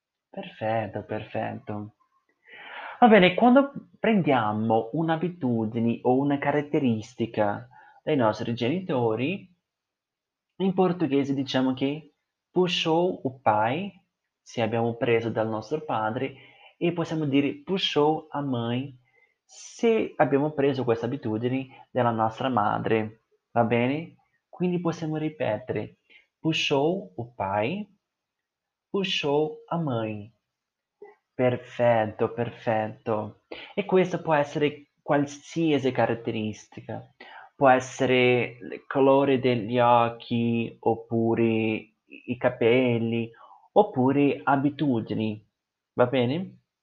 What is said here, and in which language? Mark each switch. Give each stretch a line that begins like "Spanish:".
Italian: Perfetto. Va bene, quando prendiamo un'abitudine o una caratteristica dai nostri genitori, in portoghese diciamo che
Portuguese: puxou o pai,
Italian: se abbiamo preso dal nostro padre, e possiamo dire
Portuguese: puxou a mãe,
Italian: se abbiamo preso questa abitudine dalla nostra madre. Va bene? Quindi possiamo ripetere
Portuguese: puxou o pai, puxou a mãe.
Italian: Perfetto. E questo può essere qualsiasi caratteristica. Può essere il colore degli occhi, oppure i capelli, oppure abitudini. Va bene?